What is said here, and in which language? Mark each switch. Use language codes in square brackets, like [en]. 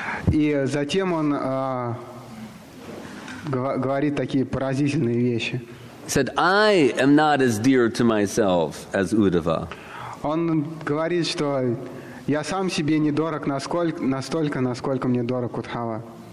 [ru] И затем он говорит такие поразительные вещи. [en] Said, I am not as dear to myself as Uddhava. [ru] Он говорит, что я сам себе не дорог настолько, насколько мне дорог Удхава.